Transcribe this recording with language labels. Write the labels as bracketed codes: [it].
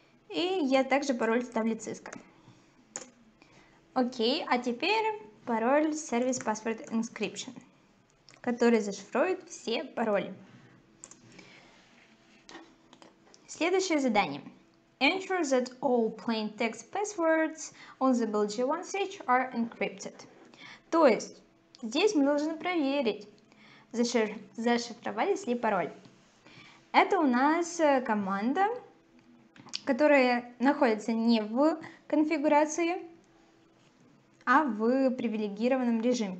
[ru] И я также пароль в таблице Cisco. Окей, а теперь пароль service password encryption, который зашифрует все пароли. Следующее задание. [en] Ensure that all plain text passwords on the BLG1 switch are encrypted. [ru] То есть, здесь мы должны проверить, зашифровались ли пароль. Это у нас команда, которая находится не в конфигурации, а в привилегированном режиме.